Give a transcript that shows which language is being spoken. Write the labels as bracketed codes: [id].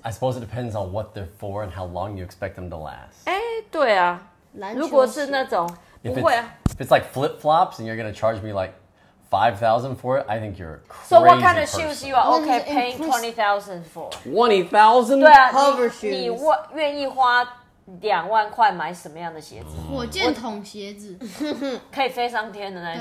[en] I suppose it depends on what they're for and how long you expect them to last. [zh] 哎，对啊，如果是那种不会啊。 [en] If it's like flip flops and you're gonna charge me like $5,000 for it, I think you're crazy. So what kind of shoes you are okay paying $20,000 for? $20,000? [zh] 对啊， [en] cover shoes. [zh] 你愿意花？2万块买什么样的鞋子？火箭筒鞋子，可以飞上天的那种。